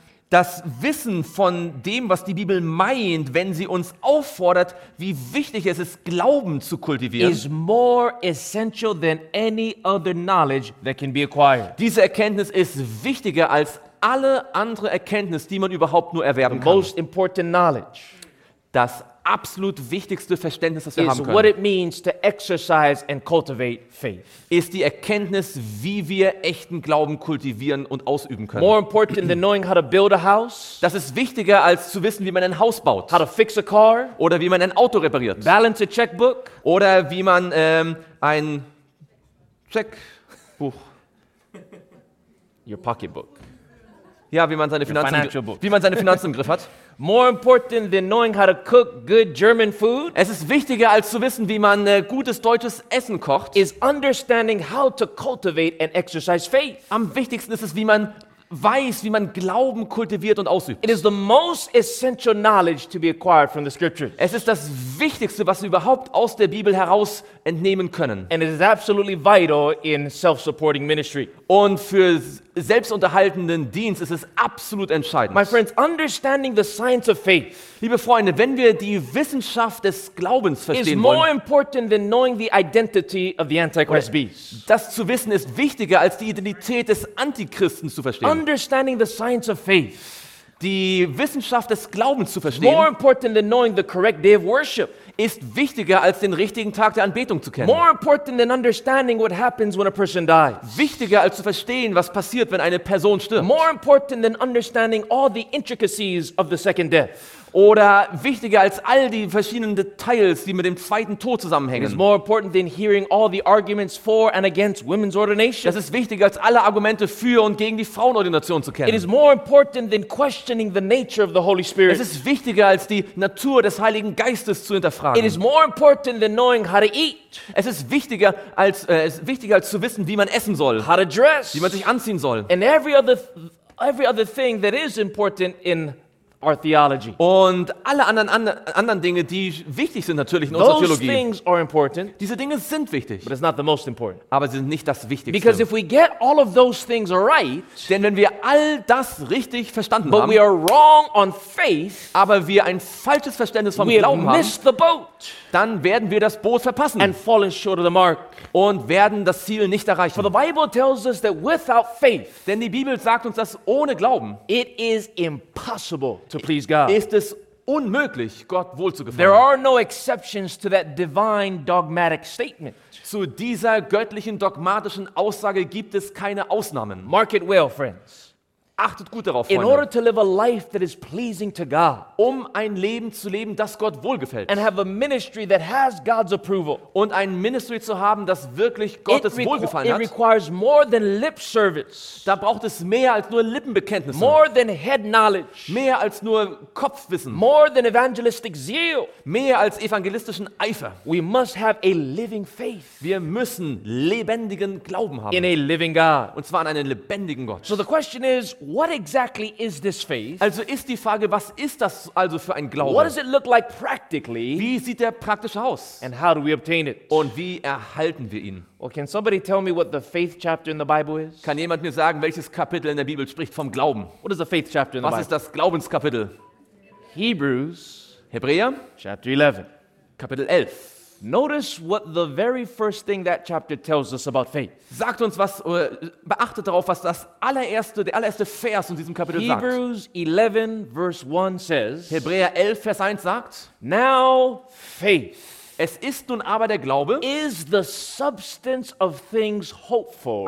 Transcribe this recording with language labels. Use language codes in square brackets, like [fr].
[de] Das Wissen von dem, was die Bibel meint, wenn sie uns auffordert, wie wichtig es ist, Glauben zu kultivieren, [en] is more essential than any other knowledge that can be acquired. [de] Diese Erkenntnis ist wichtiger als alle andere Erkenntnis, die man überhaupt nur erwerben kann. [en] The most important knowledge. [de] Das absolut wichtigste Verständnis, das wir [en] is [de] haben können, [en] what it means to exercise and cultivate faith. [de] Ist die Erkenntnis, wie wir echten Glauben kultivieren und ausüben können. [en] More important than knowing how to build a house. [de] Das ist wichtiger als zu wissen, wie man ein Haus baut. [en] How to fix a car. [de] Oder wie man ein Auto repariert. [en] Balance a checkbook. [de] Oder wie man ein Checkbuch. [en] Your pocketbook. [de] Ja, wie man seine Finanzen, wie man seine Finanzen im Griff hat. [en] More important than knowing how to cook good German food. [de] Es ist wichtiger als zu wissen, wie man gutes deutsches Essen kocht. [en] Is understanding how to cultivate and exercise faith. [de] Am wichtigsten ist es, wie man weiß, wie man Glauben kultiviert und ausübt. [en] It is the most essential knowledge to be acquired from the scriptures. [de] Es ist das Wichtigste, was wir überhaupt aus der Bibel heraus entnehmen können. [en] And it is absolutely vital in self-supporting ministry. [de] Und für selbstunterhaltenden Dienst ist es absolut entscheidend. [en] My friends, understanding the science of faith. [de] Liebe Freunde, wenn wir die Wissenschaft des Glaubens verstehen wollen, [en] is more important than knowing the identity of the Antichrist beast. [de] Das zu wissen ist wichtiger als die Identität des Antichristen zu verstehen. [en] Understanding the science of faith. [de] Die Wissenschaft des Glaubens zu verstehen, [en] more important than knowing the correct day of worship, [de] ist wichtiger als den richtigen Tag der Anbetung zu kennen. [en] More important than understanding what happens when a person dies, [de] wichtiger als zu verstehen, was passiert, wenn eine Person stirbt. [en] More important than understanding all the intricacies of the second death, [de] oder wichtiger als all die verschiedenen Details, die mit dem zweiten Tod zusammenhängen. [en] It is more important than hearing all the arguments for and against women's ordination. [de] Das ist wichtiger als alle Argumente für und gegen die Frauenordination zu kennen. [en] It is more important than questioning the nature of the Holy Spirit. [de] Es ist wichtiger als die Natur des Heiligen Geistes zu hinterfragen. [en] It is more important than knowing how to eat. [de] Es ist wichtiger als zu wissen, wie man essen soll. [en] How to dress. [de] Wie man sich anziehen soll. [en] And every other thing that is important in our theology. [de] Und alle anderen Dinge, die wichtig sind natürlich in unserer Theologie. [en] Those things are important. [de] Diese Dinge sind wichtig. [en] But it's not the most important. [de] Aber sie sind nicht das Wichtigste. [en] Because if we get all of those things right, [de] denn wenn wir all das richtig verstanden haben, [en] we are wrong on faith, [de] aber wir ein falsches Verständnis vom Glauben [en] miss [de] haben, [en] the boat, [de] dann werden wir das Boot verpassen. [en] And fall short of the mark. [de] Und werden das Ziel nicht erreichen. [en] For the Bible tells us that without faith, [de] denn die Bibel sagt uns, dass ohne Glauben, [en] it is impossible to please God. [de] Ist es unmöglich, Gott wohlzugefallen? [en] There are no exceptions to that divine dogmatic statement. [de] Zu dieser göttlichen dogmatischen Aussage gibt es keine Ausnahmen. [en] Mark it well, friends. [de] Achtet gut darauf, Freunde. [en] In order to live a life that is pleasing to God, [de] um ein Leben zu leben, das Gott wohlgefällt, [en] and have a ministry that has God's approval, [de] und ein Ministry zu haben, das wirklich Gottes Wohlgefallen hat, [en] it requires more than lip service. [de] Da braucht es mehr als nur Lippenbekenntnisse. [en] More than head knowledge. [de] Mehr als nur Kopfwissen. [en] More than evangelistic zeal. [de] Mehr als evangelistischen Eifer. [en] We must have a living faith. [de] Wir müssen lebendigen Glauben haben. [en] In a living God. [de] Und zwar an einen lebendigen Gott. [en] So the question is, what exactly is this faith? [de] Also ist die Frage, was ist das also für ein Glaube? [en] What does it look like practically? [de] Wie sieht der praktisch aus? [en] And how do we obtain it? [de] Und wie erhalten wir ihn? [en] Well, can somebody tell me what the faith chapter in the Bible is? [de] Kann jemand mir sagen, welches Kapitel in der Bibel spricht vom Glauben? [en] What is the faith chapter in the Bible? [de] Was ist das Glaubenskapitel? [en] Hebrews, [de] Hebräer, [en] chapter 11. [de] Kapitel 11. [en] Notice what the very first thing that chapter tells us about faith. [de] Sagt uns was, beachtet darauf, was das allererste, der allererste Vers in diesem Kapitel [en] Hebrews [de] sagt. [en] Hebrews 11 verse 1 says, [de] Hebräer 11 Vers 1 sagt, [en] now faith. [de] Es ist nun aber der Glaube [en] is the substance of things hoped for,